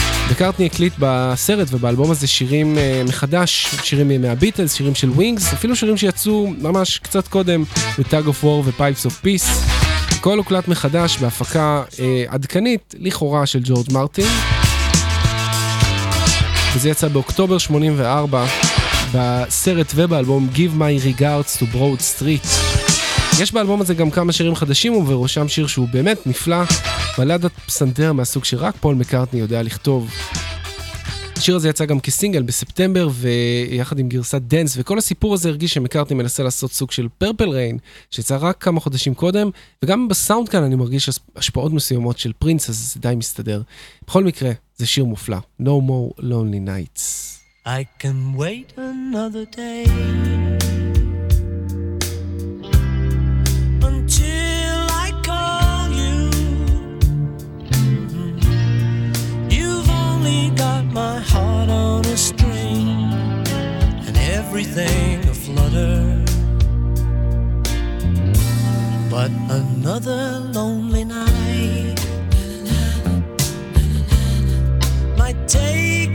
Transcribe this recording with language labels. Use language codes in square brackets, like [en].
[he] מקארטני הקליט בסרט ובאלבום הזה שירים מחדש, שירים מימי הביטלס, שירים של ווינגס, אפילו שירים שיצאו ממש קצת קודם בטאג אוף וור ופייפס אוף פיס. הכל הוקלט מחדש בהפקה עדכנית לכאורה של ג'ורג' מרטין. וזה יצא באוקטובר 84. בסרט ובאלבום Give My Regards to Broad Street. יש באלבום הזה גם כמה שירים חדשים ובראשם שיר שהוא באמת נפלא, בלדת פסנתר מהסוג שרק פול מקארטני יודע לכתוב. השיר הזה יצא גם כסינגל בספטמבר ויחד עם גרסת דנס, וכל הסיפור הזה הרגיש שמקארטני מנסה לעשות סוג של פרפל ריין שיצא רק כמה חודשים קודם, וגם בסאונד כאן אני מרגיש השפעות מסוימות של פרינס, אז זה די מסתדר. בכל מקרה זה שיר מופלא, No More Lonely Nights. [en] I can wait another day until I call you. You've only got my heart on a string and everything a flutter, but another lonely night might take.